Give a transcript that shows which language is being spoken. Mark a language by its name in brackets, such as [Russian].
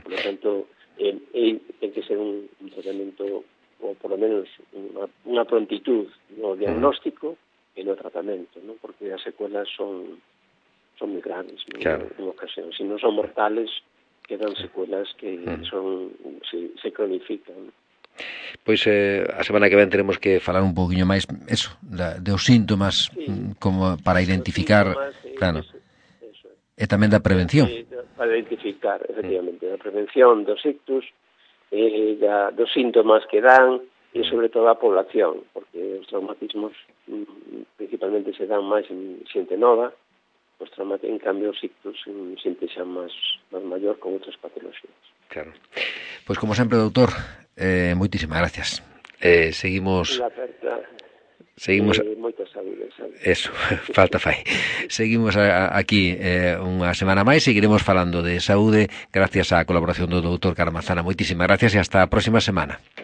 [Spanish] Por lo tanto, [Galician] ten que ser un tratamento [Spanish] o por lo menos una prontitud no diagnóstico y no tratamiento, ¿no? Porque las secuelas son muy graves, ¿no? Claro. En ocasión. Si no son mortales, quedan secuelas que son se cronifican, ¿no? [Galician] Pois a semana que ven teremos que falar un poquinho máis eso, dos síntomas, sí, como para identificar, síntomas, claro. E tamén da prevención. Para identificar, efectivamente, da prevención dos ictus, dos síntomas que dan, e sobre todo a población, porque os traumatismos principalmente se dan máis en xente nova, os traumatismos, en cambio, os ictus en xente xa máis maior con outras patologías. Claro. Pois como sempre, doutor, moitísimas gracias. Seguimos... Seguimos moitas saúdes. Eso, falta fai. Seguimos aquí unha semana máis, seguiremos falando de saúde gracias á colaboración do doutor Carmazana. Moitísimas gracias e hasta a próxima semana.